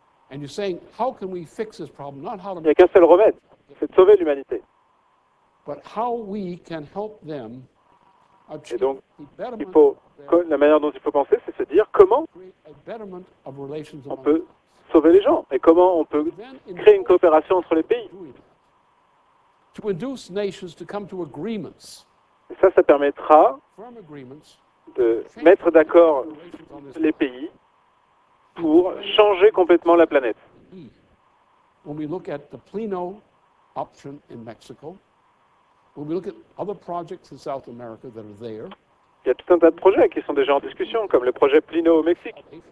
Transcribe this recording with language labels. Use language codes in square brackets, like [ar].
[en] And you're saying, how can we fix this problem? Not how to. [fr] Il n'y a qu'un seul remède, c'est de sauver l'humanité. [en] But how we can help them achieve. [fr] Et donc, il faut, la manière dont il faut penser, c'est se dire comment on peut sauver les gens et comment on peut créer une coopération entre les pays. [en] To induce nations to come to agreements. [fr] Et ça, ça permettra de mettre d'accord les pays pour changer complètement la planète. [en] When we look at the Plino option in Mexico, when we look at other projects in South America that are there, [fr] il y a tout un tas de projets qui sont déjà en discussion, comme le projet Plino au Mexique.